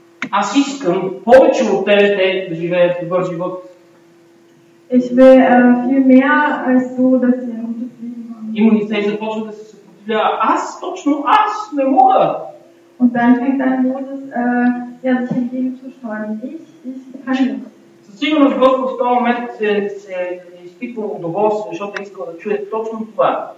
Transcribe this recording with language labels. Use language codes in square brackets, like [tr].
[bg] Аз искам повече от тези те да живеят добър живот. [de] Ich will viel mehr als du, dass sie ein gutes Leben haben. [bg] И Моисей започва да се съпротивлява. Аз, точно аз, не мога. [de] Und dann fängt dein Moses sich entgegenzusteuern. Ich kann nicht. [bg] Със сигурност Господ в този момент се изпитва удоволствие, защото искал да чуе точно това.